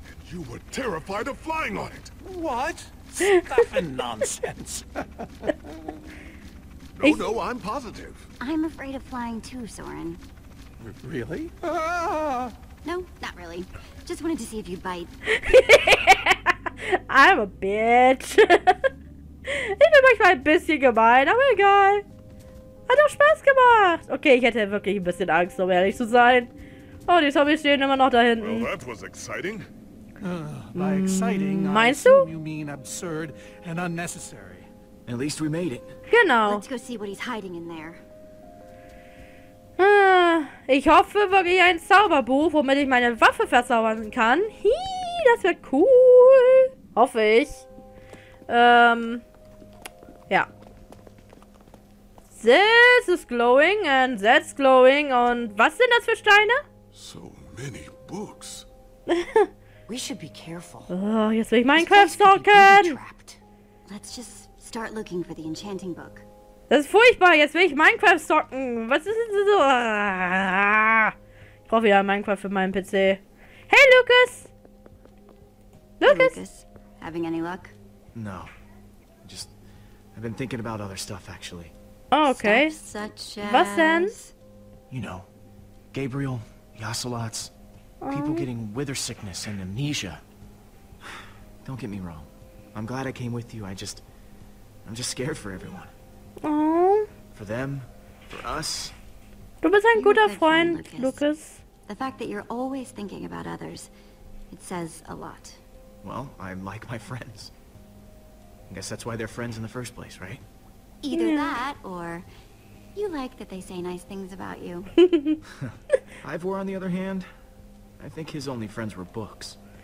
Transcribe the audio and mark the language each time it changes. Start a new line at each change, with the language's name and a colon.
English: You were terrified of flying on it. What? Stuff and nonsense. Oh no, I'm positive. I'm afraid of flying too, Soren. Really? No, not really. Just wanted to see if you'd bite. I'm a bitch.
German: Ich bin manchmal ein bisschen gemein, aber egal. Hat auch Spaß gemacht. Okay, ich hätte wirklich ein bisschen Angst, um ehrlich zu sein. Oh, die Zombies stehen immer noch da hinten.
English: Well, that was exciting. By exciting,
German: meinst du?
English: I assume you mean absurd and unnecessary. At least we made it.
German: Genau.
English: Let's go see what he's hiding in there.
German: Ich hoffe wirklich ein Zauberbuch, womit ich meine Waffe verzaubern kann. Das wird cool. Hoffe ich. Ja.
English: This is glowing and that's glowing.
German: Und was sind das für Steine?
English: So many books. We should be careful.
German: Oh, jetzt will ich Minecraft stalken.
English: Let's just start looking for the enchanting book.
German: Das ist furchtbar. Jetzt will ich Minecraft stalken. Was ist denn so? Ich brauche wieder Minecraft für meinen PC.
English: Hey, Lucas. Lucas. Having any luck? No. Just, I've been thinking about other stuff, actually. Oh, okay.
German: Was denn?
English: You know, Gabriel, the ocelots, people getting wither sickness and amnesia. Don't get me wrong. I'm glad I came with you. I'm just scared for everyone. Oh. For them, for us.
German: Du bist ein guter Freund, Lucas.
English: The fact that you're always thinking about others, it says a lot. Well, I like my friends. I guess that's why they're friends in the first place, right? Either that, or you like that they say nice things about you. Ivor, on the other hand, I think his only friends were books.